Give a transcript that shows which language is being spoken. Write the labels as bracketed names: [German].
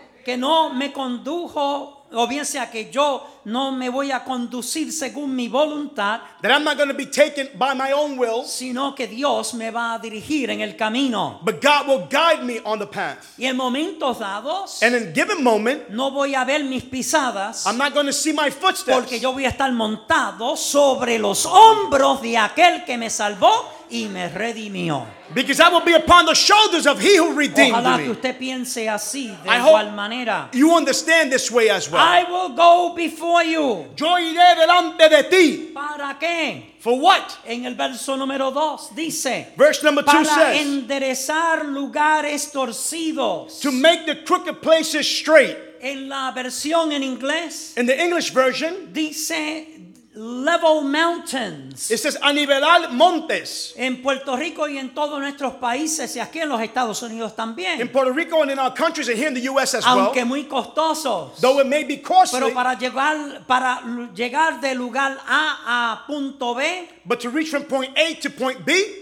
[Spanish] Que no me condujo, o bien sea que yo no me voy a conducir según mi voluntad. [English] That I'm not going to be taken by my own will. [Spanish] Sino que Dios me va a dirigir en el camino. [English] But God will guide me on the path. [Spanish] Y en momentos dados. [English] And in a given moment. [Spanish] No voy a ver mis pisadas. [English] I'm not going to see my footsteps. [Spanish] Porque yo voy a estar montado sobre los hombros de aquel que me salvó y me redimió. [English] Because I will be upon the shoulders of he who redeemed [Spanish] Ojalá [English] me. [Spanish] Ojalá que usted piense así de [English] I [Spanish] igual manera. [English] You understand this way as well. I will go before you. [Spanish] Yo iré delante de ti. ¿Para qué? [English] For what? [Spanish] En el verso número 2 dice. [English] Verse number 2 says. [Spanish] Para enderezar lugares torcidos. [English] To make the crooked places straight. [Spanish] En la versión en inglés. [English] In the English version. [Spanish] Dice. [English] Level mountains. It says, [Spanish] anivelar montes. En Puerto Rico y en todos nuestros países y aquí en los Estados Unidos también. [English] In Puerto Rico and in our countries and here in the U.S. as [Spanish] Aunque [English] well. [Spanish] Aunque muy costosos. [English] Though it may be costly. [Spanish] Pero para llegar de lugar A a punto B. [English] But to reach from point A to point B.